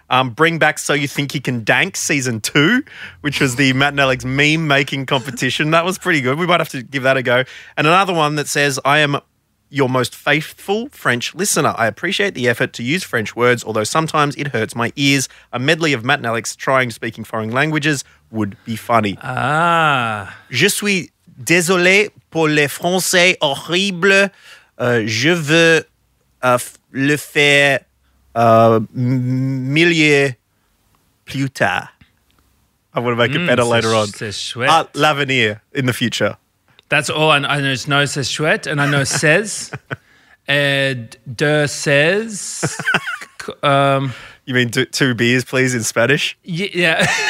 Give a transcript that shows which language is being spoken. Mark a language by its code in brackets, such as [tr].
[en] Bring back So You Think You Can Dank Season 2, which was the Matt and Alex meme-making competition. That was pretty good. We might have to give that a go. And another one that says, I am your most faithful French listener. I appreciate the effort to use French words, although sometimes it hurts my ears. A medley of Matt and Alex trying speaking foreign languages would be funny. Ah. [fr] Je suis désolé pour les Français horribles. Je veux le faire mille plus tard. [en] I want to make it better later on. [fr] L'avenir [en] in the future. That's all. I know it's no [fr] c'est chouette, [en] and I know says. [fr] Et deux says. [en] You mean two beers, please, in Spanish? Yeah.